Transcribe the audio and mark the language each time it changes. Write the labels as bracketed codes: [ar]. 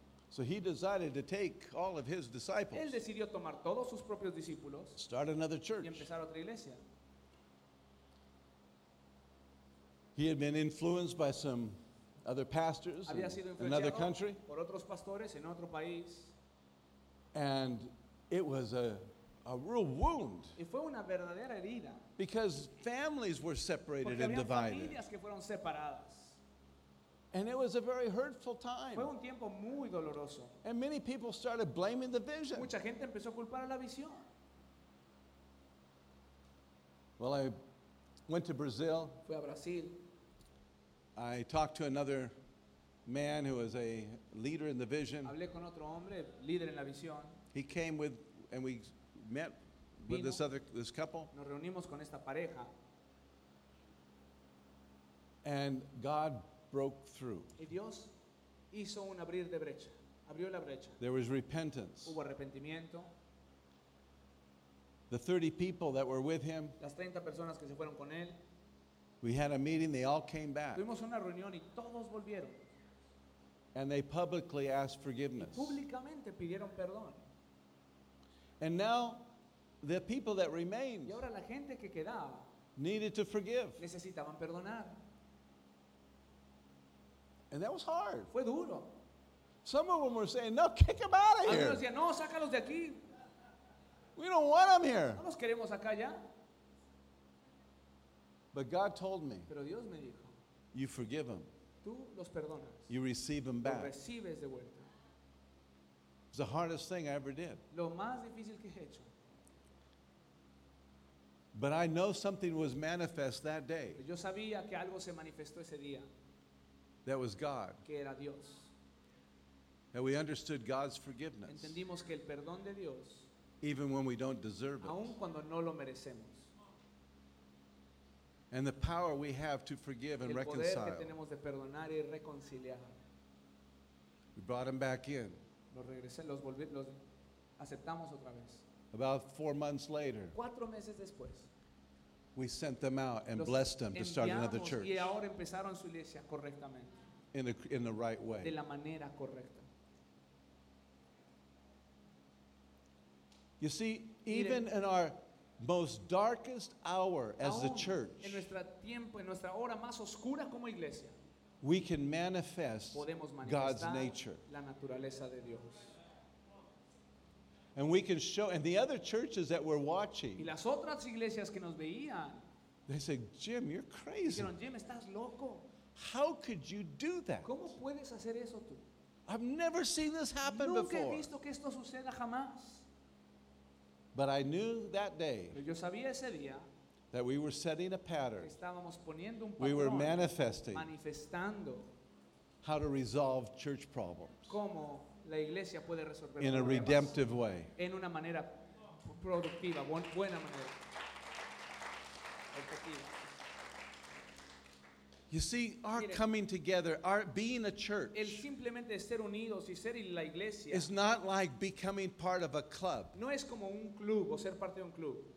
[en] So he decided to take all of his disciples. [es] Él decidió tomar todos sus propios discípulos. [en] Start another church. [es] Y empezar otra iglesia. [en] He had been influenced by some other pastors in another country. [es] Por otros pastores en otro país. [en] And it was a real wound. [es] Y fue una verdadera herida. [en] Because families were separated [es] Porque [en] and divided. [es] Familias que fueron separadas. [en] And it was a very hurtful time. [es] Fue un tiempo muy doloroso. [en] And many people started blaming the vision. [es] Mucha gente empezó a culpar a la visión. [en] Well, I went to Brazil. [es] Fui a Brasil. [en] I talked to another man who was a leader in the vision. [es] Hablé con otro hombre, líder en la visión. [en] He came with, and we met [es] Vino. [en] With this couple. [es] Nos reunimos con esta pareja. [en] And God broke through. [es] Y Dios hizo un abrir de brecha. Abrió la brecha. [en] There was repentance. [es] Hubo arrepentimiento. [en] The 30 people that were with him. [es] Las 30 personas que se fueron con él. [en] We had a meeting, they all came back. [es] Tuvimos una reunión y todos volvieron. [en] And they publicly asked forgiveness. [es] Y públicamente pidieron perdón. [en] And now the people that remained. [es] Y ahora la gente que quedaba. [en] Needed to forgive. [es] Necesitaban perdonar. [en] And that was hard. [es] Fue duro. [en] Some of them were saying, no, kick them out of here. [es] Algunos decían, no, sácalos de aquí. [en] We don't want them here. [es] No los queremos acá ya. [en] But God told me, [es] Pero Dios me dijo, [en] you forgive them. [es] Tú los perdonas. [en] You receive them back. [es] Los recibes de vuelta. [en] It's the hardest thing I ever did. [es] Lo más difícil que he hecho. [en] But I know something was manifest that day. [es] Yo sabía que algo se manifestó ese día. [en] That was God. [es] Que era Dios. [en] And we understood God's forgiveness. [es] Entendimos que el perdón de Dios, [en] even when we don't deserve [es] aun [en] it. [es] Cuando no lo merecemos. [en] And the power we have to forgive and [es] el poder [en] reconcile. [es] Que tenemos de perdonar y reconciliar. [en] We brought them back in. [es] Los regresé, los volví, los aceptamos otra vez. [en] About 4 months later. [es] Cuatro meses después. [en] We sent them out and blessed them to start another church. [es] Y ahora empezaron su iglesia correctamente. [en] In the right way. [es] De la manera correcta. [en] You see, even in our most darkest hour as the church, [es] en nuestro tiempo, en nuestra hora más oscura como iglesia, [en] we can manifest God's nature. [es] La naturaleza de Dios. [en] And we can show, and the other churches that were watching, [es] y las otras iglesias que nos veían, [en] they said, Jim, you're crazy. [es] Dijeron, Jim, estás loco. [en] How could you do that? [es] ¿Cómo puedes hacer eso tú? [en] I've never seen this happen [es] Nunca [en] before. [es] He visto que esto suceda jamás. [en] But I knew that day, [es] pero yo sabía ese día, [en] that we were setting a pattern, [es] que estábamos poniendo un patrón, [en] we were manifesting, [es] manifestando, [en] how to resolve church problems. [es] ¿Cómo? La iglesia puede resolver [en] in a redemptive way. [es] En una manera productiva, buena manera. [en] You see, our Mire, coming together, our being a church, [es] el simplemente ser unidos y ser la iglesia, [en] is not like becoming part of a club. [es] No es como un club o ser parte de un club.